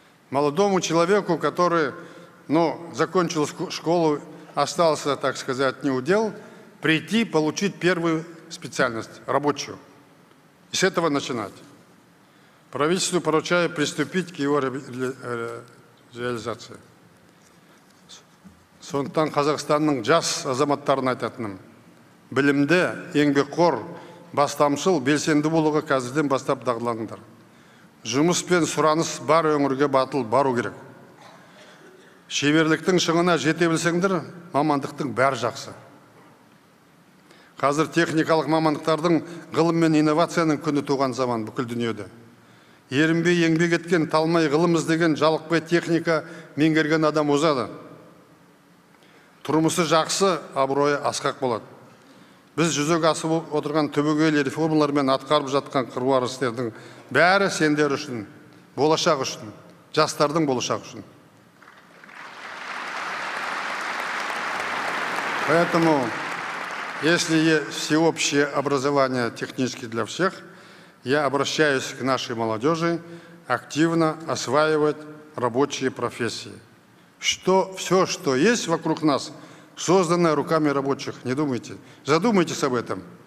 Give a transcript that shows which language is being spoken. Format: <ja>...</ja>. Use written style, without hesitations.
<ru>Молодому человеку, который, ну, закончил школу, остался, так сказать, неудел, прийти получить первую специальность, рабочую. И с этого начинать. Правительству поручаю приступить к его реализации.</ru> <kk>Сонтан Казахстанның жас азаматтарына айтатыным. Білімді, еңбекқор, бастамшыл, белсенді болуға қазірден бастап дағдыландыр. Жұмыс пен сұраныс бар өңірге батыл бару керек. Шеберліктің шыңына жете білсеңдер, мамандықтың бәрі жақсы. Қазір техникалық мамандықтардың ғылым мен инновацияның күні туған заман бүкіл дүниеде. Ерінбей еңбек еткен талмай ғылым іздеген жалықпай техника меңгерген адам озады. Тұрмысы жақсы, абыройы асқақ болады. Біз жүзеге асып отырған түбегейлі реформалар мен атқарып жатқан қыруар істердің бәрі сендер үшін, болашақ үшін, жастардың болашақ үшін.</kk> <ru>Поэтому, если есть всеобщее образование технически для всех, я обращаюсь к нашей молодежи активно осваивать рабочие профессии. Что все, что есть вокруг нас, созданное руками рабочих, не думайте. Задумайтесь об этом.</ru>